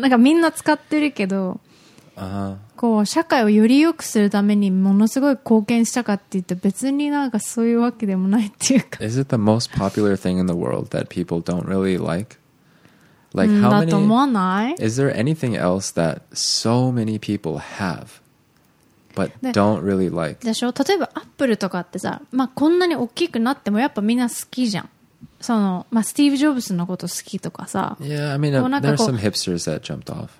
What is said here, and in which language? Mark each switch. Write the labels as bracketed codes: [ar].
[ja] なんかみんな使ってるけど、こう社会をより良くするためにものすごい貢献したかって言って別になんかそういうわけでもないっていうか。 [en] Is it the most popular thing in the world that people don't really like? Like, how many, is there anything else that so many people have but don't really like? [ja] でしょ？例えばアップルとかってさ、まあこんなに大きくなってもやっぱみんな好きじゃん。その、まあスティーブ・ジョブズのこと好きとかさ。 [en] Yeah, I mean, there are some hipsters that jumped off.